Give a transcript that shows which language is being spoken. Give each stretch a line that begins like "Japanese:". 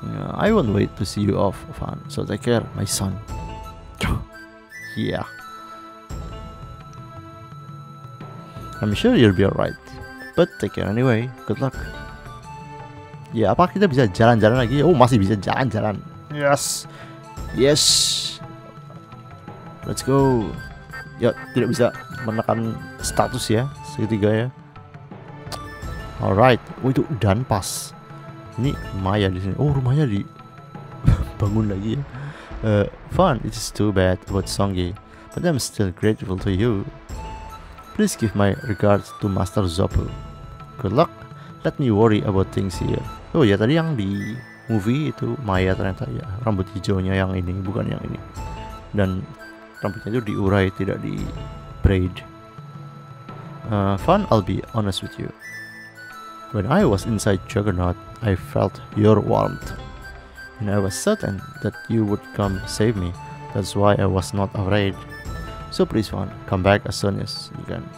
English: I won't wait to see you off, Fan. So take care, my son. Yeah. I'm sure you'll be alright. But take care anyway. Good luck.
Indonesian: Ya, apa kita bisa jalan-jalan lagi? Oh, masih bisa jalan-jalan.
English: Yes. Yes. Let's go.
Indonesian: Ya, tidak bisa menekan status ya, segitiga ya. Alright, oh itu dan pas. Ini Maya di sini. Oh, rumahnya di bangun lagi ya.
English: Fun, it's too bad about Songi, but I'm still grateful to you. Please give my regards to Master Zopu. Good luck. Let me worry about things here.
Indonesian: Oh ya, tadi yang di movie itu Maya ternyata ya, rambut hijaunya yang ini, bukan yang ini. Dan rambutnya itu diurai, tidak di braid.
English: Fun, I'll be honest with you. When I was inside Juggernaut, I felt your warmth. And I was certain that you would come save me. That's why I was not afraid. So please, Fun, come back as soon as you can.